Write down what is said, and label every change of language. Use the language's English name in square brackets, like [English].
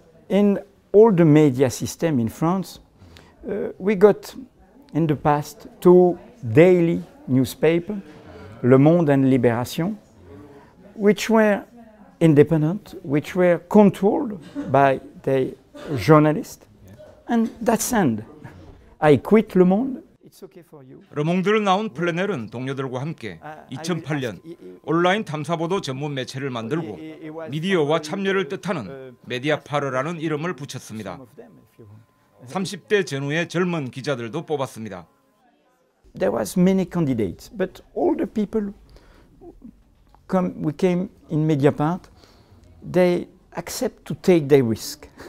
[English] In all the media system in France, we got in the past two daily newspapers, Le Monde and Libération, which were independent, which were controlled by the journalists. And that's end. I quit Le Monde. It's okay for you. [Korean] 르몽드를 나온 플레넬은 동료들과 함께 2008년 온라인 탐사보도 전문 매체를 만들고 미디어와 참여를 뜻하는 메디아파르라는 이름을 붙였습니다. 30대 전후의 젊은 기자들도 뽑았습니다. [English] There was many candidates, but all the people come we came in Mediapart, they accept to take their risk.